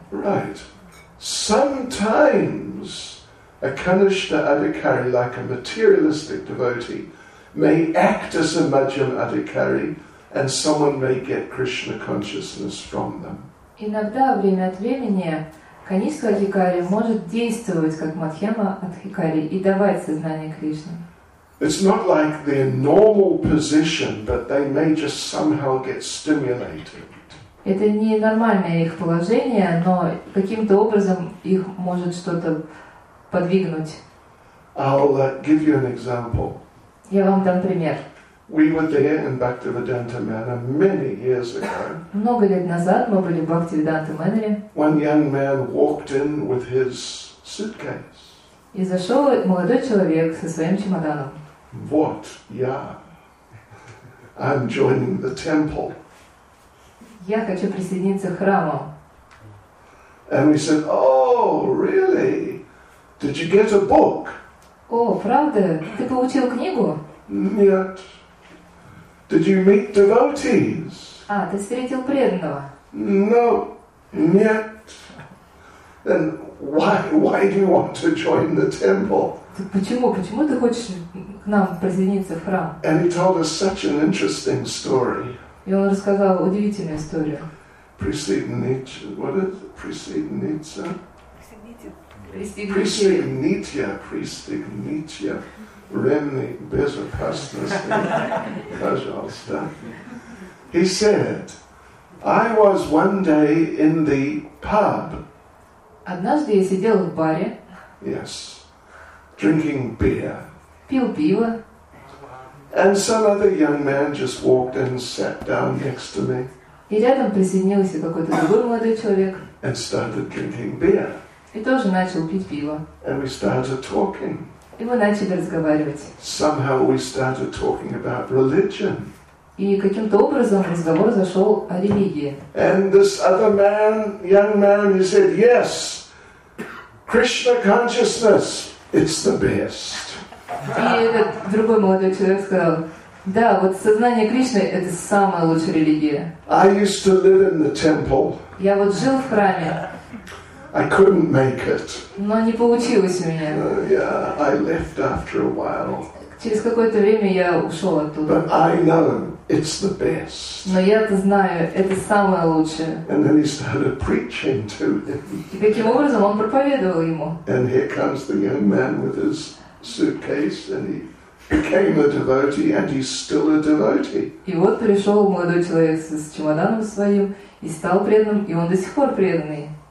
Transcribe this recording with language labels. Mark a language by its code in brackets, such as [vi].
[en] Right. Sometimes a Kanishtha Adhikari, like a materialistic devotee, may act as a Madhyama Adhikari, and someone may get Krishna consciousness from them. [ru] Иногда время от времени Kanishtha Adhikari может действовать как Мадхьяма Адхикари и давать сознание Кришне. [en] It's not like their normal position, but they may just somehow get stimulated. [ru] Это не нормальное их положение, но каким-то образом их может что-то подвигнуть. [en] I'll give you an example. [ru] Я вам дам пример. [en] We were there in Bhaktivedanta Manor many years ago. [ru] Много лет назад мы были в Бхактивиданте Мэнере. [en] One young man walked in with his suitcase. [ru] И зашел молодой человек со своим чемоданом. [en] What? Yeah. I'm joining the temple. [ru] Я хочу присоединиться к храму. [en] And we said, oh, really? Did you get a book? [ru] О, правда? Ты получил книгу? Нет. [en] Did you meet devotees? [ru] А, ты встретил преданного? [en] No, [ru] нет. [en] Then why do you want to join the temple? [ru] Почему ты хочешь к нам присоединиться в храм? [en] And he told us such an interesting story. [ru] И он рассказал удивительную историю. Пристигнитья. Ремни безопасности. Пожалуйста. [en] He said, I was one day in the pub. [ru] Однажды я сидел в баре. [en] Yes. Drinking beer. [ru] Пил пиво. [en] And some other young man just walked in and sat down next to me. [ru] И рядом присоединился какой-то другой молодой человек. [en] And started drinking beer. [ru] И тоже начал пить пиво. [en] And we started talking. [ru] И мы начали разговаривать. [en] Somehow we started talking about religion. [ru] И каким-то образом разговор зашел о религии. [en] And this other man, young man, he said, yes, Krishna consciousness, it's the best. [ru] И этот другой молодой человек сказал, да, вот сознание Кришны – это самая лучшая религия. [en] I used to live in the temple. [ru] Я вот жил в храме. [en] I couldn't make it. [ru] Но не получилось у меня. [en] I left after a while. [ru] Через какое-то время я ушел оттуда. [en] But I know it's the best. [ru] Но я-то знаю, это самое лучшее. [en] And then he started preaching to him. [ru] И каким образом он проповедовал ему? [en] And here comes the young man with his suitcase, and he became a devotee, and he's still a devotee. [ru] И вот пришел молодой человек с чемоданом своим и стал преданным, и он до сих пор преданный.